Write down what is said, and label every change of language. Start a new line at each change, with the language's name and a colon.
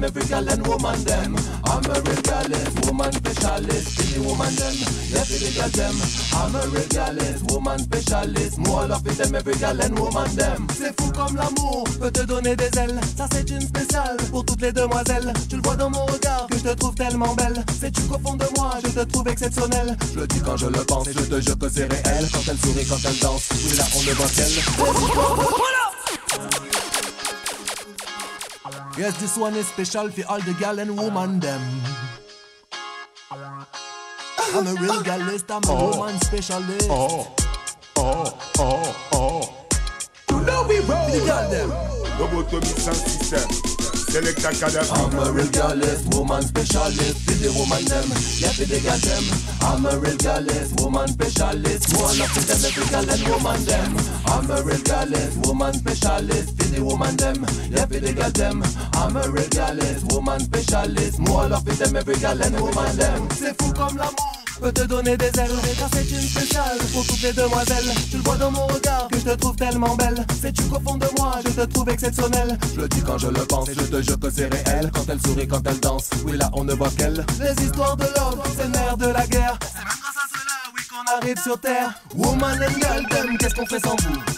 English: I'm a real galist, woman specialist, for the woman them. Yeah, for the girl them. I'm a real galist, woman specialist, more love for them, every girl and woman them.
French: C'est fou comme l'amour peut te donner des ailes. Ça c'est une spéciale pour toutes les demoiselles. Tu le vois dans mon regard que je te trouve tellement belle. Sais-tu qu'au fond de moi je te trouve exceptionnelle. Je le dis quand je le pense, je te jure que c'est réel. Quand elle sourit, quand elle danse, oui là on le voit qu'elle.
English: Yes, this one is special for all the gal and woman them. I'm a real galist, I'm a woman specialist. You know we roll the gal them.
French: Lobotomy sans système. Selecta Jallah
English: Kadafi. I'm a real galist, woman specialist. For the woman them, yeah, for the gal them. I'm a real galist, woman specialist. More love for them, every gal and woman them. I'm a real galist, woman specialist. For the woman them, yeah, for the gal them. I'm a real galist, woman specialist. More love for them, every gal and woman them.
French: C'est fou comme l'amour peut te donner des ailes. Et car c'est une spéciale pour toutes les demoiselles. Tu le vois dans mon regard que je te trouve tellement belle. Sais-tu qu'au fond de moi je te trouve exceptionnelle. Je le dis quand je le pense, je te jure que c'est réel. Quand elle sourit, quand elle danse, oui là on ne voit qu'elle. Les histoires de love, c'est l'air de la guerre. Arrive sur terre,
English: woman and girl, them,
French: qu'est-ce qu'on fait sans vous?